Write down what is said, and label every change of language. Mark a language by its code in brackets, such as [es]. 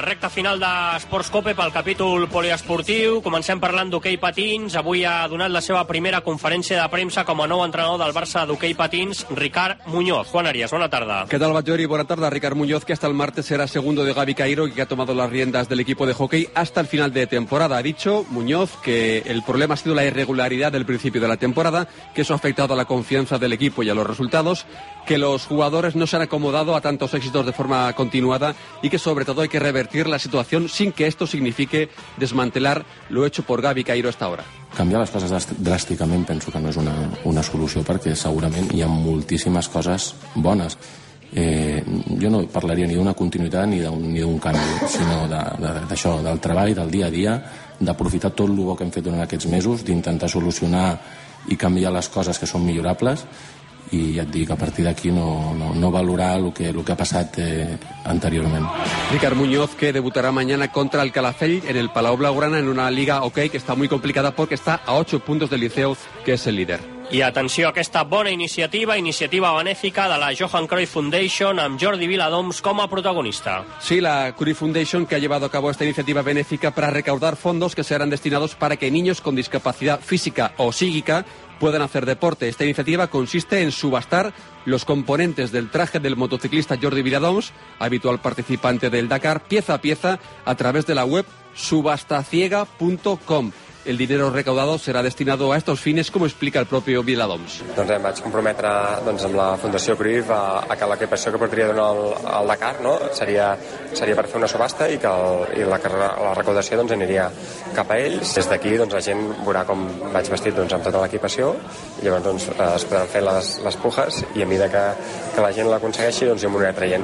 [ca] Recta final d'Esports Cope pel capítol poliesportiu. Comencem parlant d'hoquei patins. Avui ha donat la seva primera conferència de premsa com a nou entrenador del Barça d'hoquei patins, Ricard Muñoz. Juan Arias, bona tarda. [es] ¿Qué tal, Batllori? [ca] Bona tarda. [es] Ricard Muñoz, que hasta el martes era segundo de Gaby Cairo y que ha tomado las riendas del equipo de hockey hasta el final de temporada. Ha dicho Muñoz que el problema ha sido la irregularidad del principio de la temporada, que eso ha afectado a la confianza del equipo y a los resultados, que los jugadores no se han acomodado a tantos éxitos de forma continuada y que sobre todo hay que revertir la situación sin que esto signifique desmantelar lo hecho por Gaby Cairo hasta ahora. [ca] Canviar les coses dràsticament penso que no és una solució, perquè segurament hi ha moltíssimes coses bones. Jo no parlaria ni d'una continuïtat ni d'un canvi, sinó d'això, del treball, del dia a dia, d'aprofitar tot el bo que hem fet durant aquests mesos, d'intentar solucionar i canviar les coses que són millorables. I ja et dic, a partir d'aquí no valorar el que ha passat anteriorment. Ricard Muñoz, que debutarà [es] mañana [ca] contra el Calafell en el Palau Blaugrana [es] en una liga [ca] hockey que està molt complicada perquè està a 8 punts del Liceu, que és el líder. I atenció a aquesta bona iniciativa benèfica de la Johan Cruyff Foundation amb Jordi Viladoms com a protagonista. [es] Sí, la Cruyff Foundation, que ha llevado a cabo esta iniciativa benéfica para recaudar fondos que serán destinados para que niños con discapacidad física o psíquica pueden hacer deporte. Esta iniciativa consiste en subastar los componentes del traje del motociclista Jordi Viladoms, habitual participante del Dakar, pieza a pieza a través de la web subastaciega.com. El dinero recaudado será destinado a estos fines, como explica el propio Viladoms. [ca] Doncs em vaig comprometre amb la Fundació Cruyff a que l'equipació que portaria donar al Dakar, no? seria per fer una subhasta i la recaudació doncs, aniria cap a ells. Des d'aquí doncs, la gent veurà com vaig vestit amb tota l'equipació, llavors doncs, es podran fer les pujas i a mesura que la gent l'aconsegueixi doncs, jo m'ho aniré traient.